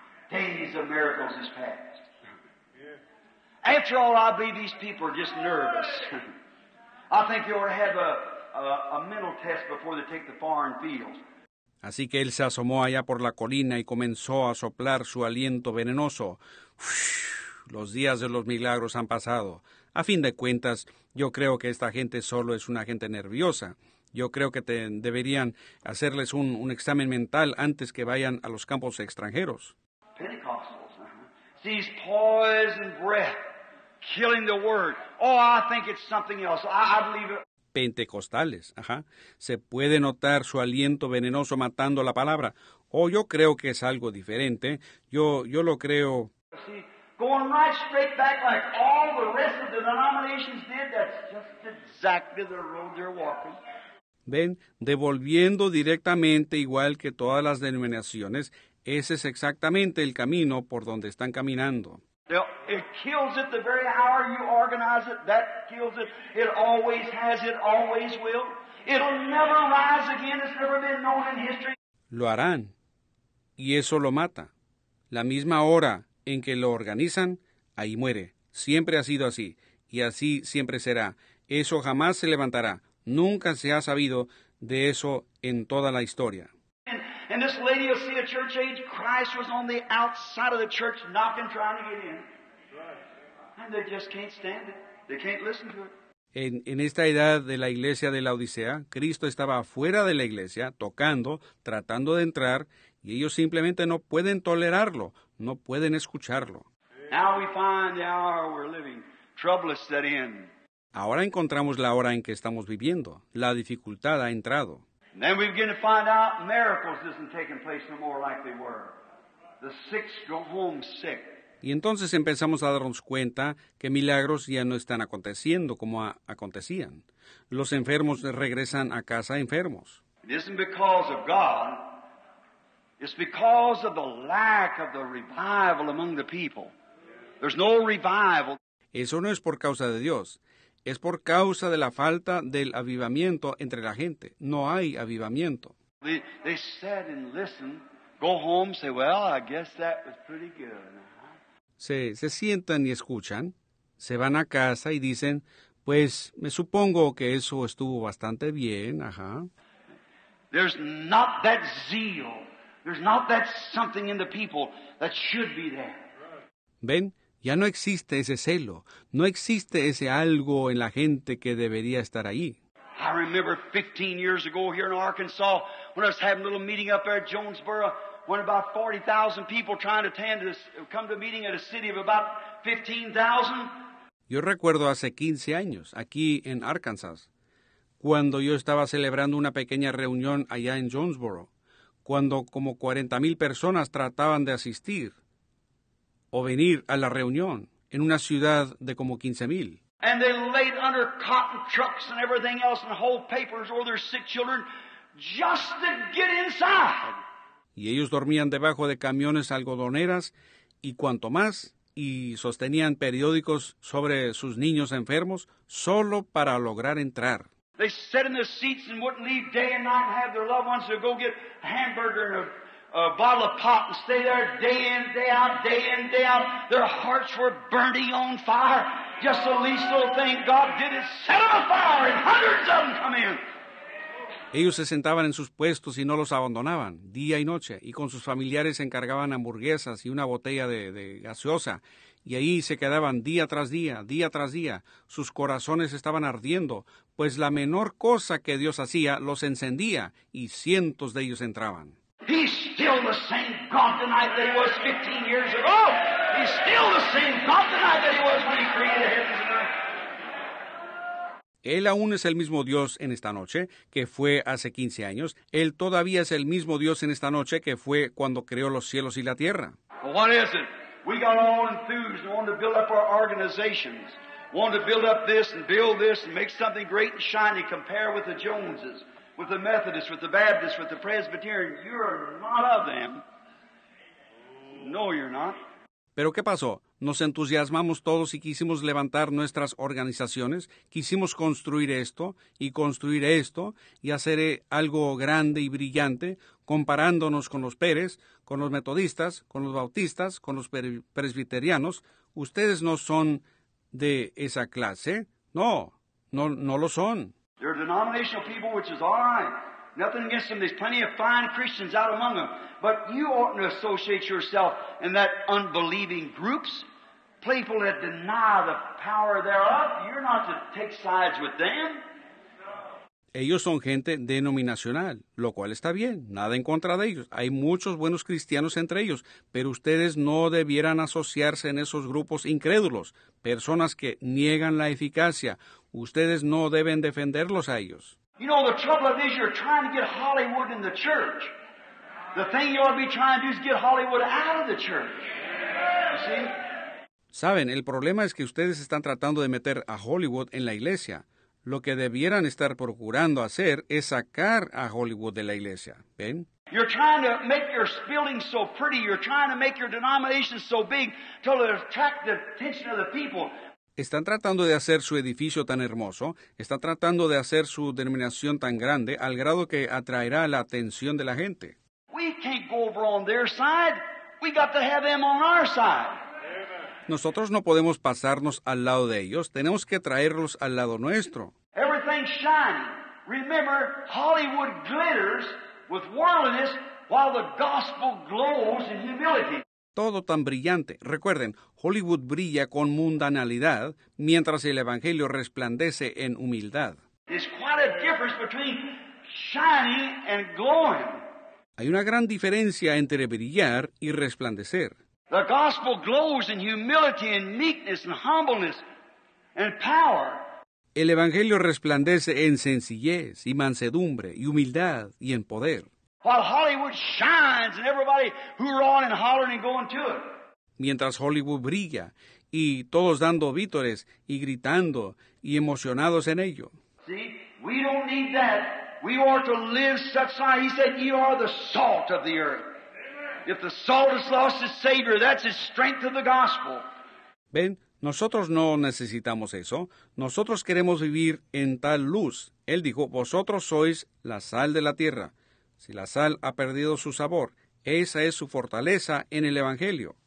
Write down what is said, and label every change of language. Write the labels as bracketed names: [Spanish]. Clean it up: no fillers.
[English] Days of miracles is past. Yeah. After all, I believe these people are just nervous. I think they ought to have a mental test before they take the foreign fields. [Spanish] Así que él se asomó allá por la colina y comenzó a soplar su aliento venenoso. Los días de los milagros han pasado. A fin de cuentas, yo creo que esta gente solo es una gente nerviosa. Yo creo que deberían hacerles un examen mental antes que vayan a los campos extranjeros. [English] Pentecostals, these poison breath, killing the word. Oh, I think it's something else. I believe it. [Spanish] Pentecostales, ajá. Se puede notar su aliento venenoso matando la palabra. Oh, yo creo que es algo diferente. Yo lo creo. [English] Going right straight back like all the rest of the denominations did, that's just exactly the road they're walking. [Spanish] Ven, devolviendo directamente igual que todas las denominaciones, ese es exactamente el camino por donde están caminando. [English] It kills it the very hour you organize it. That kills it. It always has, it always will. It'll never rise again. It's never been known in history. [Spanish] Lo harán, y eso lo mata. La misma hora en que lo organizan, ahí muere. Siempre ha sido así, y así siempre será. Eso jamás se levantará. Nunca se ha sabido de eso en toda la historia. [English] And this lady will see a church age, Christ was on the outside of the church knocking, trying to get in. Right. And they just can't stand it. They can't listen to it. [Spanish] En esta edad de la iglesia de la Odisea, Cristo estaba afuera de la iglesia, tocando, tratando de entrar, y ellos simplemente no pueden tolerarlo, no pueden escucharlo. [English] Now we find the hour we're living. Trouble has set in. [Spanish] Ahora encontramos la hora en que estamos viviendo. La dificultad ha entrado. [English] And then we begin to find out miracles isn't taking place no more like they were. The sick go home sick. [Spanish] Y entonces empezamos a darnos cuenta que milagros ya no están aconteciendo como acontecían. Los enfermos regresan a casa enfermos. [English] It isn't because of God. It's because of the lack of the revival among the people. There's no revival. [Spanish] Eso no es por causa de Dios. Es por causa de la falta del avivamiento entre la gente. No hay avivamiento. [English] They sat and listened, go home, say, well, I guess that was pretty good. [Spanish] Se sientan y escuchan, se van a casa y dicen, pues, me supongo que eso estuvo bastante bien, ajá. [English] There's not that zeal. There's not that something in the people that should be there. [Spanish] Ven. Ya no existe ese celo, no existe ese algo en la gente que debería estar ahí. [English] I remember 15 years ago here in Arkansas, when I was having a little meeting up there at Jonesboro, when about 40,000 people trying to attend this, come to a meeting at a city of about 15,000. [Spanish] Yo recuerdo hace 15 años, aquí en Arkansas, cuando yo estaba celebrando una pequeña reunión allá en Jonesboro, cuando como 40,000 personas trataban de asistir, o venir a la reunión en una ciudad de como 15,000. [English] And they laid under cotton trucks and everything else and whole papers or their sick children just to get inside. [Spanish] Y ellos dormían debajo de camiones algodoneras y cuanto más, y sostenían periódicos sobre sus niños enfermos solo para lograr entrar. [English] They sat in their seats and wouldn't leave day and night and have their loved ones to go get a hamburger and a bottle of pop and stay there day in, day out, day in, day out. Their hearts were burning on fire. Just the least little thing God did is set them afire and hundreds of them come in. [Spanish] Ellos se sentaban en sus puestos y no los abandonaban, día y noche, y con sus familiares se encargaban hamburguesas y una botella de gaseosa. Y ahí se quedaban día tras día, día tras día. Sus corazones estaban ardiendo, pues la menor cosa que Dios hacía los encendía y cientos de ellos entraban. [English] He's still the same God tonight that he was 15 years ago. He's still the same God tonight that he was when he created heaven and earth. [Spanish] Él aún es el mismo Dios en esta noche que fue hace 15 años. Él todavía es el mismo Dios en esta noche que fue cuando creó los cielos y la tierra. [English] Well, what is it? We got all enthused and wanted to build up our organizations. Wanted to build up this and build this and make something great and shiny compared with the Joneses. With the Methodist, with the Baptist, with the Presbyterian, you're not of them. No, you're not. [Spanish] Pero ¿qué pasó? Nos entusiasmamos todos y quisimos levantar nuestras organizaciones, quisimos construir esto y hacer algo grande y brillante, comparándonos con los Pérez, con los metodistas, con los bautistas, con los presbiterianos. Ustedes no son de esa clase. No, no, no lo son. [English] They're denominational people, which is all right. Nothing against them. There's plenty of fine Christians out among them. But you oughtn't associate yourself in that unbelieving groups. People that deny the power thereof, you're not to take sides with them. [Spanish] Ellos son gente denominacional, lo cual está bien, nada en contra de ellos. Hay muchos buenos cristianos entre ellos, pero ustedes no debieran asociarse en esos grupos incrédulos, personas que niegan la eficacia. Ustedes no deben defenderlos a ellos. [English] You know, the trouble of this, you're trying to get Hollywood in the church. The thing you ought to be trying to do is get Hollywood out of the church. You see? [Spanish] Saben, el problema es que ustedes están tratando de meter a Hollywood en la iglesia. Lo que debieran estar procurando hacer es sacar a Hollywood de la iglesia. ¿Ven? [English] You're trying to make your building so pretty. You're trying to make your denomination so big to attract the attention of the people. [Spanish] Están tratando de hacer su edificio tan hermoso, están tratando de hacer su denominación tan grande al grado que atraerá la atención de la gente. [English] We can't go over on their side. We got to have them on our side. [Spanish] Nosotros no podemos pasarnos al lado de ellos, tenemos que traerlos al lado nuestro. [English] Everything's shining. Remember, Hollywood glitters with worldliness while the gospel glows in humility. [Spanish] Todo tan brillante. Recuerden, Hollywood brilla con mundanalidad mientras el Evangelio resplandece en humildad. [English] There's quite a difference between shining and glowing. [Spanish] Hay una gran diferencia entre brillar y resplandecer. [English] The gospel glows in humility and meekness and humbleness and power. [Spanish] El Evangelio resplandece en sencillez y mansedumbre y humildad y en poder. [English] While Hollywood shines and everybody hoorahing and hollering and going to it. [Spanish] Mientras Hollywood brilla y todos dando vítores y gritando y emocionados en ello. [English] See, we don't need that. We are to live such life. He said, you are the salt of the earth. If the salt has lost its savior, that's its strength of the gospel. [Spanish] Ven, nosotros no necesitamos eso. Nosotros queremos vivir en tal luz. Él dijo, vosotros sois la sal de la tierra. Si la sal ha perdido su sabor, esa es su fortaleza en el Evangelio.